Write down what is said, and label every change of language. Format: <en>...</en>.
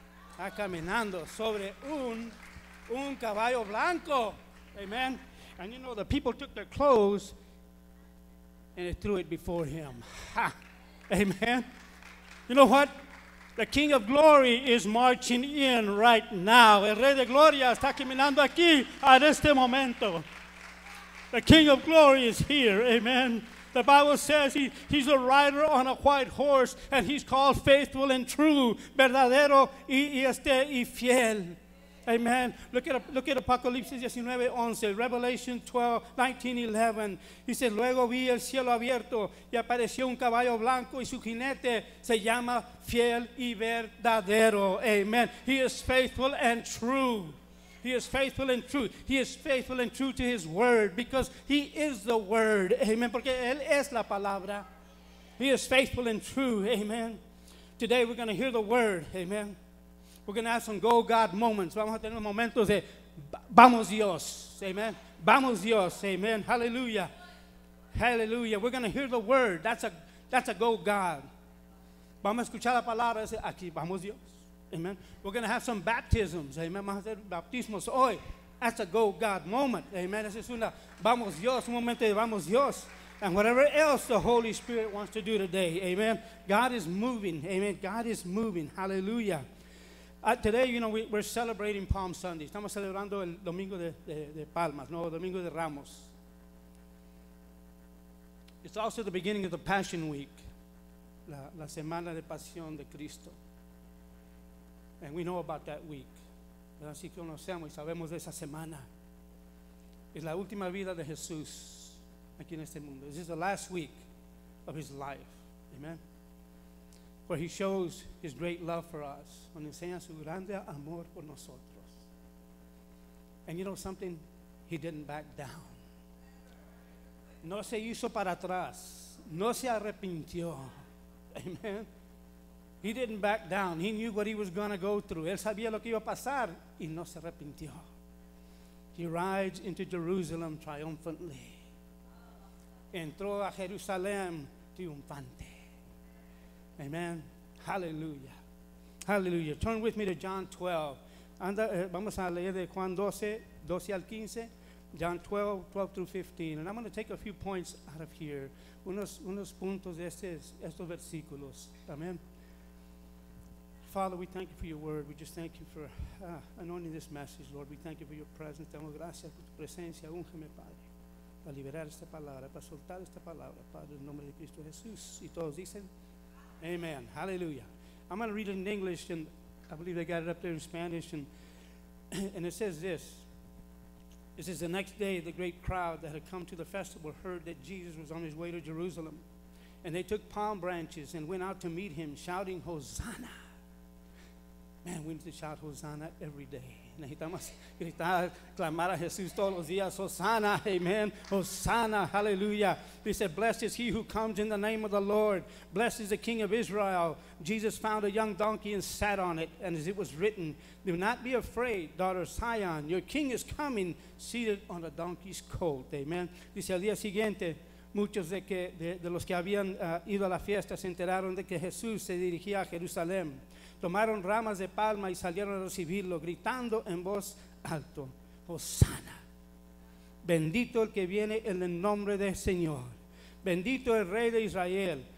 <es>Está caminando sobre un caballo blanco. Amen.</es> <en>And you know, the people took their clothes and they threw it before him. Ha. Amen. You know what? The King of Glory is marching in right now.</en> <es>El Rey de Gloria está caminando aquí en este momento.</es> <en>The King of Glory is here. Amen. The Bible says he's a rider on a white horse, and he's called faithful and true,</en> <es>verdadero y fiel.</es> <en>Amen. Look at Apocalypse 19:11, Revelation 12:19-11. He said,</en> <es>luego vi el cielo abierto, y apareció un caballo blanco, y su jinete se llama fiel y verdadero.</es> <en>Amen. He is faithful and true. He is faithful and true. He is faithful and true to his word because he is the word. Amen.</en> <es>Porque él es la palabra.</es> <en>He is faithful and true. Amen. Today we're going to hear the word. Amen. We're going to have some go God moments.</en> <es>Vamos a tener momentos de vamos Dios. Amen. Vamos Dios. Amen. Hallelujah. Hallelujah.</es> <en>We're going to hear the word. That's a go God.</en> <es>Vamos a escuchar la palabra. Aquí vamos Dios. Amen.</es> <en>We're going to have some baptisms.</en> <es>Amen. Vamos a hacer bautismos hoy.</es> <en>That's a go God moment. Amen.</en> <es>Esa es una vamos Dios, un momento de vamos Dios.</es> <en>And whatever else the Holy Spirit wants to do today. Amen. God is moving. Amen. God is moving. Hallelujah. Today, you know, we're celebrating Palm Sunday.</en> <es>Estamos celebrando el Domingo de Palmas, no, Domingo de Ramos.</es> <en>It's also the beginning of the Passion Week,</en> <es>la Semana de Pasión de Cristo.</es> <en>And we know about that week.</en> <es>Así que conocemos y sabemos de esa semana. Es la última vida de Jesús aquí en este mundo.</es> <en>This is the last week of his life.</en> <es>Amen.</es> <en>Where he shows his great love for us.</en> <es>Donde enseña su grande amor por nosotros.</es> <en>And you know something? He didn't back down.</en> <es>No se hizo para atrás. No se arrepintió. Amen.</es> <en>He didn't back down. He knew what he was going to go through.</en> <es>Él sabía lo que iba a pasar y no se arrepintió.</es> <en>He rides into Jerusalem triumphantly.</en> <es>Entró a Jerusalén triunfante.</es> <en>Amen. Hallelujah. Hallelujah. Turn with me to John 12.</en> <es>Vamos a leer de Juan 12, 12 al 15.</es> <en>John 12, 12 through 15. And I'm going to take a few points out of here.</en> <es>Unos puntos de estos versículos.</es> <en>Amen. Father, we thank you for your word. We just thank you for anointing this message, Lord. We thank you for your presence.</en> <es>Damos gracias por tu presencia. Úngeme, Padre, para liberar esta palabra, para soltar esta palabra, Padre, en nombre de Cristo Jesús. Y todos dicen, amen. Hallelujah.</es> <en>I'm going to read it in English, and I believe they got it up there in Spanish. And it says this. It says, the next day, the great crowd that had come to the festival heard that Jesus was on his way to Jerusalem. And they took palm branches and went out to meet him, shouting, Hosanna. Man, we need to shout Hosanna every day.</en> <es>Necesitamos gritar, clamar a Jesús todos los días. Hosanna, amen. Hosanna, hallelujah.</es> <en>They said, blessed is he who comes in the name of the Lord. Blessed is the King of Israel. Jesus found a young donkey and sat on it. And as it was written, do not be afraid, daughter Zion. Your king is coming, seated on a donkey's colt. Amen.</en> <es>Dice, al día siguiente, muchos de los que habían ido a la fiesta se enteraron de que Jesús se dirigía a Jerusalén. Tomaron ramas de palma y salieron a recibirlo, gritando en voz alto, Hosanna, bendito el que viene en el nombre del Señor, bendito el Rey de Israel.</es>